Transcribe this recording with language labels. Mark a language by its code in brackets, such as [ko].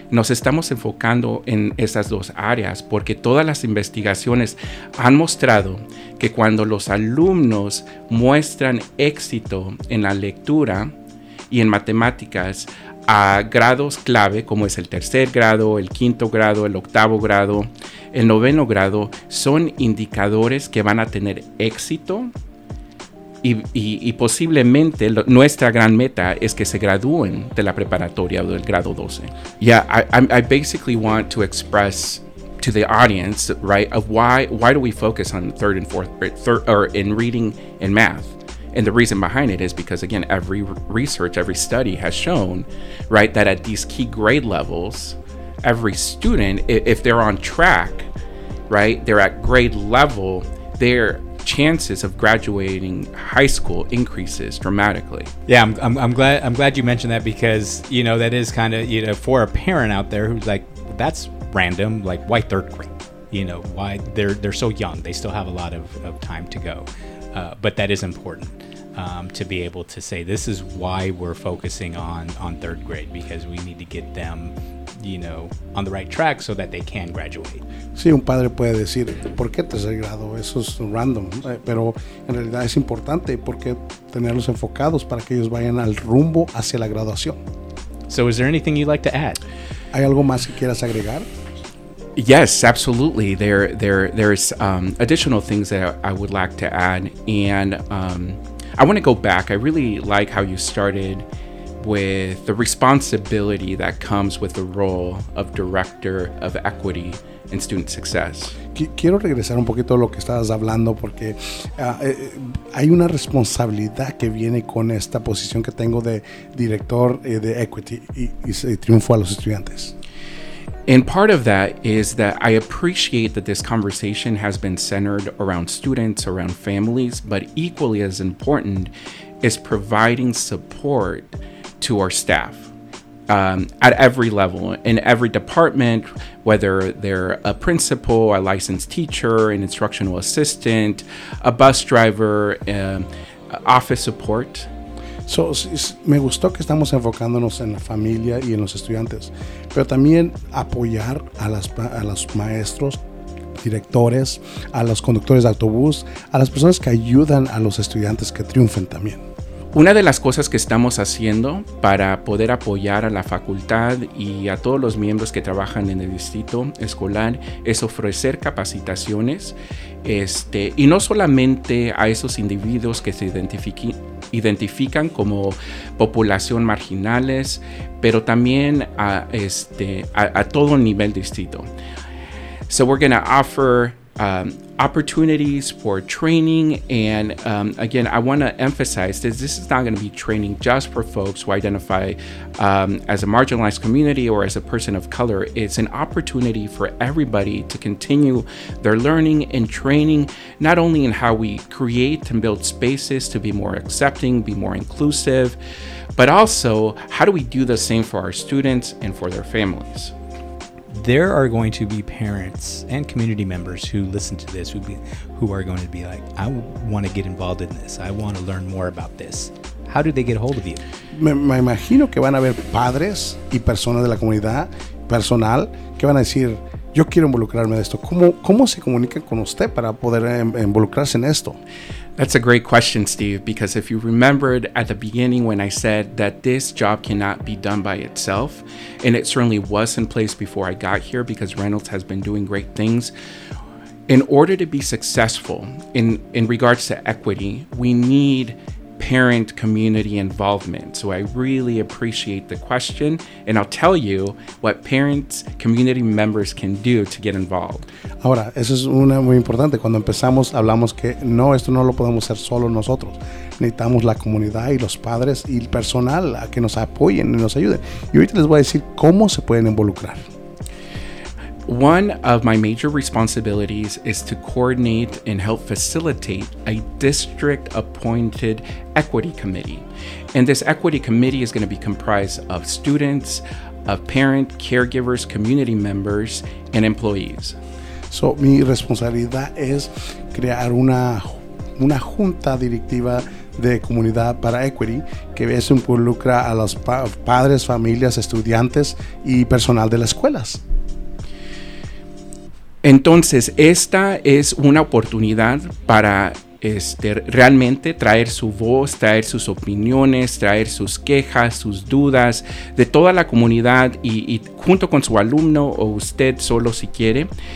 [es] Nos estamos enfocando en esas dos áreas porque todas las investigaciones han mostrado que cuando los alumnos muestran éxito en la lectura y en matemáticas a grados clave, como es el tercer grado, el quinto grado, el octavo grado, el noveno grado, son indicadores que van a tener éxito. Y posiblemente nuestra gran meta es que se gradúen de la preparatoria o del grado 12. [en] Yeah, I basically want to express to the audience, right, of why do we focus on third and fourth, or in reading and math? And the reason behind it is because, again, every research, every study has shown, right, that at these key grade levels, every student, if they're on track, right, they're at grade level, they're chances of graduating high school increases dramatically. Yeah, I'm glad you mentioned that, because you know, that is kind of, you know, for a parent out there who's like, that's random, like, why third grade, you know, why they're so young, they still have a lot of time to go, but that is important to be able to say, this is why we're focusing on third grade, because we need to get them, you know, on the right track so that they can graduate. [es] Sí, un padre puede decir, ¿por qué tercer grado? Eso es random, pero en realidad es importante porque tenerlos enfocados para que ellos vayan al rumbo hacia la graduación. [en] So is there anything you'd like to add? [es] ¿Hay algo más que quieras agregar? [en] Yes, absolutely. There's additional things that I would like to add, and I want to go back. I really like how you started with the responsibility that comes with the role of Director of Equity and Student Success. [es] Quiero regresar un poquito a lo que estabas hablando, porque hay una responsabilidad que viene con esta posición que tengo de Director de Equity y Triunfo a los Estudiantes. [en] And part of that is that I appreciate that this conversation has been centered around students, around families, but equally as important is providing support to our staff at every level, in every department, whether they're a principal, a licensed teacher, an instructional assistant, a bus driver, office support. [es] So, me gustó que estamos enfocándonos en la familia y en los estudiantes, pero también apoyar a los maestros, directores, a los conductores de autobús, a las personas que ayudan a los estudiantes que triunfen también. Una de las cosas que estamos haciendo para poder apoyar a la facultad y a todos los miembros que trabajan en el distrito escolar es ofrecer capacitaciones, y no solamente a esos individuos que se identifican como población marginales, pero también a todo nivel distrito. [en] So we're going to offer opportunities for training, and again, I want to emphasize that this is not going to be training just for folks who identify as a marginalized community or as a person of color. It's an opportunity for everybody to continue their learning and training, not only in how we create and build spaces to be more accepting, be more inclusive, but also how do we do the same for our students and for their families. There are going to be parents and community members who listen to this who are going to be like, I want to get involved in this. I want to learn more about this. How do they get a hold of you? [es] Me imagino que van a haber padres y personas de la comunidad personal que van a decir, yo quiero involucrarme en esto. ¿Cómo se comunica con usted para poder involucrarse en esto? [en] That's a great question, Steve, because if you remembered at the beginning when I said that this job cannot be done by itself, and it certainly was in place before I got here because Reynolds has been doing great things, in order to be successful in regards to equity, we need parent community involvement. So I really appreciate the question, and I'll tell you what parents community members can do to get involved. [es] Ahora, eso es una muy importante. Cuando empezamos, hablamos que no, esto no lo podemos hacer solo nosotros. Necesitamos la comunidad y los padres y el personal a que nos apoyen y nos ayuden. Y ahorita les voy a decir cómo se pueden involucrar. [en] One of my major responsibilities is to coordinate and help facilitate a district-appointed equity committee. And this equity committee is going to be comprised of students, of parent, caregivers, community members, and employees. [es] So, mi responsabilidad es crear una junta directiva de comunidad para equity que eso involucra a los padres, familias, estudiantes y personal de las escuelas. Entonces, esta es una oportunidad para realmente traer su voz, traer sus opiniones, traer sus quejas, sus dudas de toda la comunidad y junto con su alumno o usted solo si quiere.